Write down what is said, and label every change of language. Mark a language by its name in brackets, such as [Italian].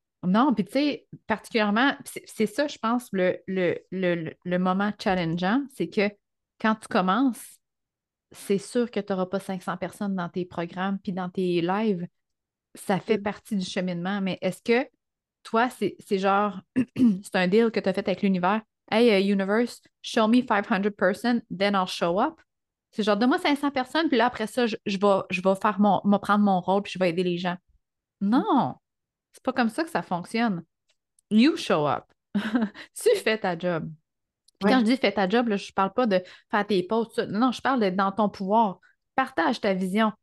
[French] Non, puis tu sais, particulièrement, c'est ça, je pense, le moment challengeant, c'est que quand tu commences, c'est sûr que tu n'auras pas 500 personnes dans tes programmes puis dans tes lives. Ça fait partie du cheminement, mais est-ce que toi, c'est genre, c'est un deal que tu as fait avec l'univers? [English] Hey, universe, show me 500 personnes, then I'll show up. [French] C'est genre, donne-moi 500 personnes, puis là, après ça, je vais prendre mon rôle, puis je vais aider les gens. Non! C'est pas comme ça que ça fonctionne. [English] You show up. [French] Tu fais ta job. Puis quand je dis fais ta job, là, je parle pas de faire tes posts. Non, je parle d'être dans ton pouvoir. Partage ta vision.